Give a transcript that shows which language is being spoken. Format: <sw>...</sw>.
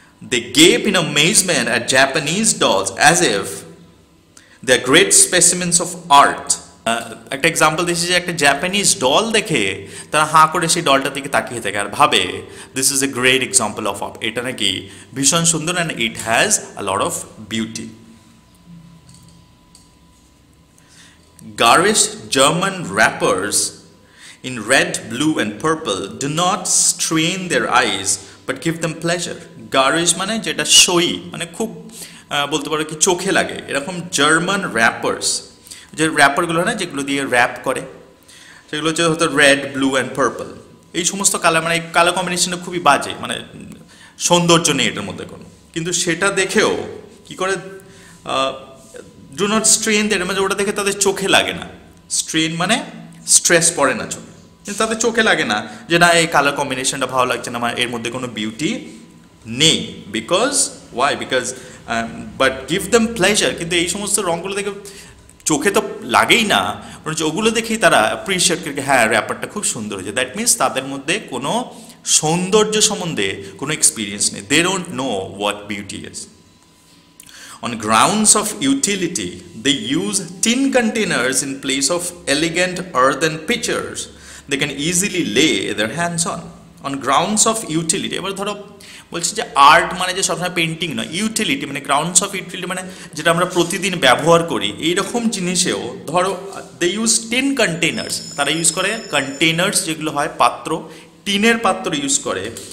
<en>they gape in amazement at Japanese dolls as if they are great specimens of art,</en> <bn>একটা example দিচ্ছি যে একটা জাপানিজ ডল দেখে তারা হাঁ করে সেই ডলটার দিকে তাকিয়ে থাকে আর ভাবে</bn> <en>this is a great example of art,</en> <bn>এটা নাকি ভীষণ সুন্দর</bn> <en>And it has a lot of beauty. Garish German rappers in red, blue and purple do not strain their eyes but give them pleasure.</en> <bn>Garish মানে যেটা সই মানে খুব বলতে পারো কি চোখে লাগে, এরকম জার্মান র্যাপার্স যে র্যাপারগুলো না যেগুলো দিয়ে র্যাপ করে সেগুলো হচ্ছে হয়তো রেড, ব্লু অ্যান্ড পার্পল, এই সমস্ত কালার মানে এই কালার কম্বিনেশনটা খুবই বাজে মানে সৌন্দর্য নেই এটার মধ্যে কোনো, কিন্তু সেটা দেখেও কী করে</bn> <en>do not strain দেয়</en> <bn>মানে ওটা দেখে তাদের চোখে লাগে না, স্ট্রেন মানে স্ট্রেস পড়ে না চোখে, কিন্তু তাদের চোখে লাগে না যে না এই কালার কম্বিনেশনটা ভালো লাগছে না এর মধ্যে কোনো বিউটি নেই,</bn> <en>because why because but give them pleasure,</en> <bn>কিন্তু এই সমস্ত রঙগুলো দেখে চোখে তো লাগেই না বরঞ্চ ওগুলো দেখেই তারা অ্যাপ্রিসিয়েট করে হ্যাঁ ব্যাপারটা খুব সুন্দর হয়েছে, দ্যাট মিন্স তাদের মধ্যে কোনো সৌন্দর্য সম্বন্ধে কোনো এক্সপিরিয়েন্স নেই,</bn> <en>They don't know what beauty is. On grounds of utility, they use tin containers in place of elegant earthen pitchers they can easily lay their hands on. On grounds of utility,</en> <bn>এবার ধরো বলছি যে art মানে যে সবসময় painting না, utility মানে</bn> <en>grounds of utility</en> <bn>মানে যেটা আমরা প্রতিদিন ব্যবহার করি এইরকম জিনিসেও ধরো</bn> <en>they use tin containers,</en> <bn>তারা ইউজ করে কন্টেনার্স যেগুলো হয় পাত্র, টিনের পাত্র ইউজ করে</bn>